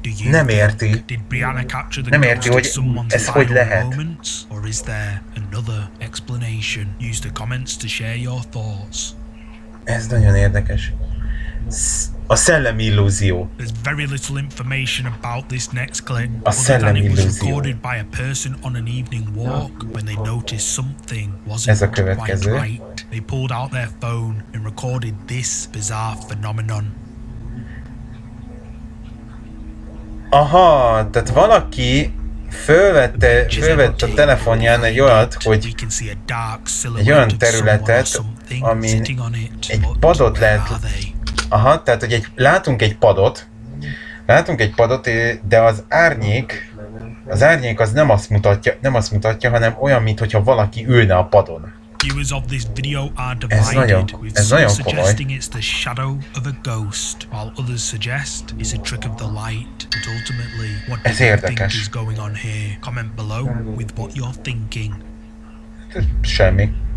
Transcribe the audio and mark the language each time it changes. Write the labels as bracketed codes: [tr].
[hu] Nem érti, hogy ez hogy lehet. [en] Or is there another explanation? Use the comments to share your thoughts. [hu] Ez nagyon érdekes. A szellemi illúzió. [en] There's very little information about this next clip. [hu] A szellemi illúzió. [en] It was recorded by a person on an evening walk when they noticed something wasn't quite right. They pulled out their phone and recorded this bizarre phenomenon. [hu] Aha, tehát valaki fölvette a telefonján egy olyat, hogy egy olyan területet, amin egy padot lehet. Aha, tehát hogy látunk egy padot, de az árnyék az nem azt mutatja, hanem olyan, mintha valaki ülne a padon. [en] viewers of this video are divided, with some suggesting it's the shadow of a ghost, while others suggest it's a trick of the light. But ultimately, what do you think is going on here? Comment below with what you're thinking. [hu] Semmi.